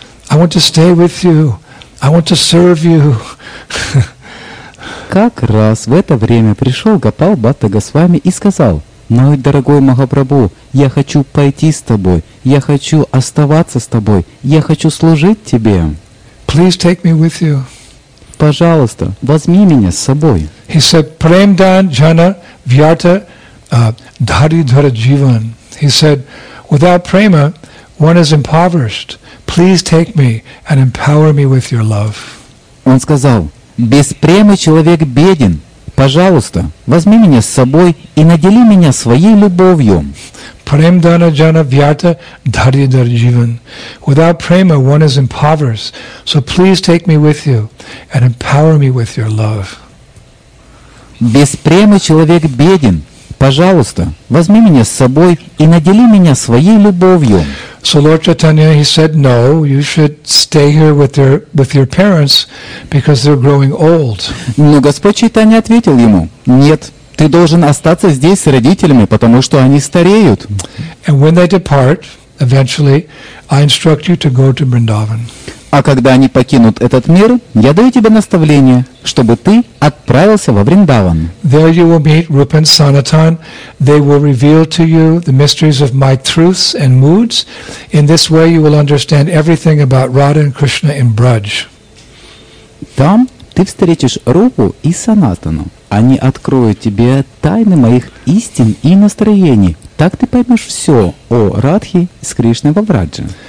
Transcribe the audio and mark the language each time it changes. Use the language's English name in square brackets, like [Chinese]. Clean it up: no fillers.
[English] I want to stay with you. I want to serve you. [Russian] Как раз в это время пришел Гопал Бхатта Госвами и сказал, «Мой дорогой Махапрабху, я хочу пойти с тобой, я хочу оставаться с тобой, я хочу служить тебе». [English] Please take me with you. [Russian] Пожалуйста, возьми меня с собой. [English] He said, [Bangla] «Премдан джана вьята дхари дхара дживан». [English] He said, «Without према, one is impoverished. Please take me and empower me with your love». [Russian] Он сказал, «Без премы человек беден». Пожалуйста, возьми меня с собой и надели меня своей любовью. [Bangla] Премдана джана вьята дхари дхар дживан. [English] Without prema, one is impoverished. So please take me with you and empower me with your love. [Russian] Без премы человек беден. Пожалуйста, возьми меня с собой и надели меня своей любовью. [English] So Lord Chaitanya, he said, no, you should stay here with your parents because they're growing old. [Russian] Но Господь Чайтанья ответил ему, нет, ты должен остаться здесь с родителями, потому что они стареют. [English] And when they depart, eventually, I instruct you to go to Vrindavan. [Russian] А когда они покинут этот мир, я даю тебе наставление, чтобы ты отправился во Вриндаван. [English] There you will meet Rupa and Sanatan. They will reveal to you the mysteries of my truths and moods. In this way you will understand everything about Radha and Krishna in Braj. [Russian] Там ты встретишь Рупу и Санатану. Они откроют тебе тайны моих истин и настроений. Так ты поймешь все о Радхе с Кришной во Врадже.